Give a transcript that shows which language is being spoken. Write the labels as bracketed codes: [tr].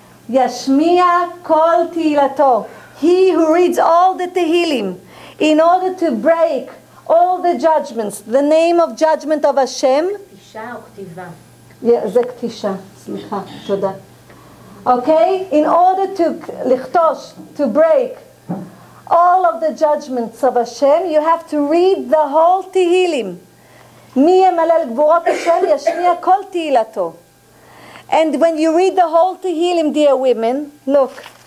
[he] Yashmiya kol tehilato. [en] He who reads all the Tehillim in order to break all the judgments, the name of judgment of Hashem. Ktisha or ktiva? Yeah, toda. Okay, in order to lichtosh, to break all of the judgments of Hashem, you have to read the whole Tehillim. [he] מי ימלל גבורות השם ישמיע כל תהילתו. [en] And when you read the whole Tehillim, dear women, look.